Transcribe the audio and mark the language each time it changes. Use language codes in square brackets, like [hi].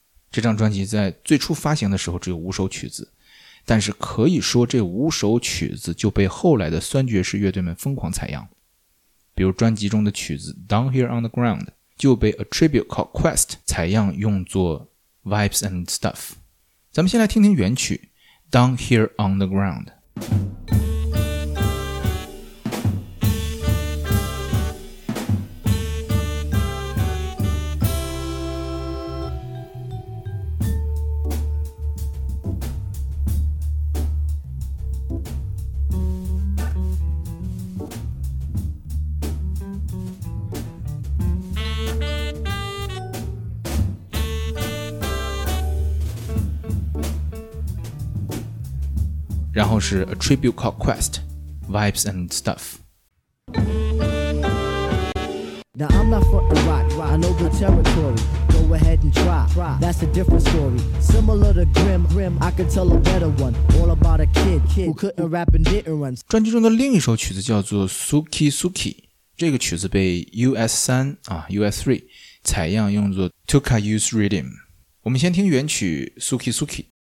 [zh] 这张专辑在最初发行的时候只有五首曲子，但是可以说这五首曲子就被后来的酸爵士乐队们疯狂采样，比如专辑中的曲子 Down Here on the Ground 就被 A Tribute Called Quest 采样用作 Vibes and Stuff。咱们先来听听原曲 Down Here on the Ground。然后是 A Tribute Called Quest, Vibes and Stuff。 [en] Now I'm not for the rock, I know the territory. Go ahead and try, that's a different story. Similar to Grim, I could tell a better one. All about a kid who couldn't rap and didn't run. [zh] 专辑中的另一首曲子叫做 Suki Suki, 这个曲子被 US3 采样用作 Tuka Use Rhythm。我们先听原曲 Suki Suki。